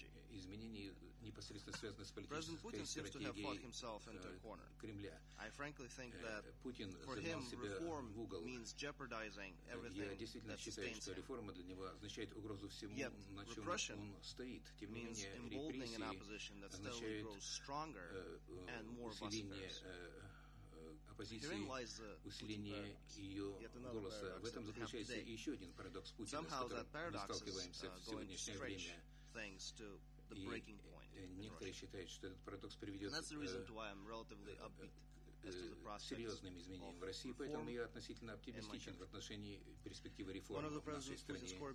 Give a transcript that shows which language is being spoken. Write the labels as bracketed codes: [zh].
[ru] изменений непосредственно связаны с политической стратегией Кремля. Путин загнал себя в угол. Я действительно считаю, что реформа для него означает угрозу всему, на чем он стоит. Тем не менее, [en] emboldening an opposition that steadily grows stronger and more vociferous. Herein lies the Putin paradox. Yet another paradox that we have today. Somehow that paradox is going to stretch things to the breaking point in Russia. And that's the reason why I'm relatively upbeat. [ru] Серьезным изменениям в России, поэтому я относительно оптимистичен в отношении перспективы реформ в нашей стране.